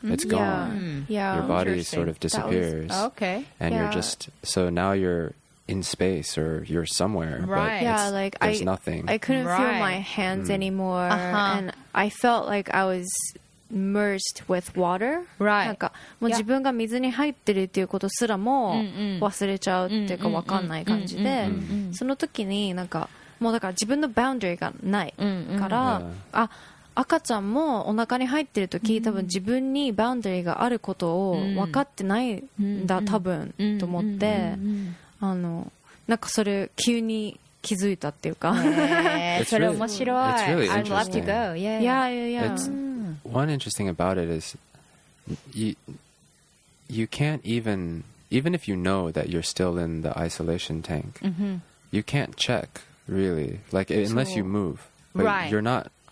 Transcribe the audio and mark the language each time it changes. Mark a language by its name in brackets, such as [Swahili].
[English] It's gone. Yeah. Your body sort of disappears. Okay. And you're just, so now you're in space or you're somewhere. Right. But yeah, like there's nothing. I couldn't feel my hands anymore. And I felt like I was merged with water. Right. [Japanese] なんかもう自分が水に入ってるっていうことすらも忘れちゃうっていうか分かんない感じで、その時になんかもうだから自分のバウンダリーがないから、赤ちゃんもお腹に入ってる時、多分自分にバウンダリーがあることを分かってないんだ、多分と思って、あのなんかそれ急に気づいたっていうか、それ面白い。 [English] It's really interesting. I'd love to go. Yeah. It's, one interesting about it is you can't even if you know that you're still in the isolation tank, you can't check really, like unless you move, but you're not.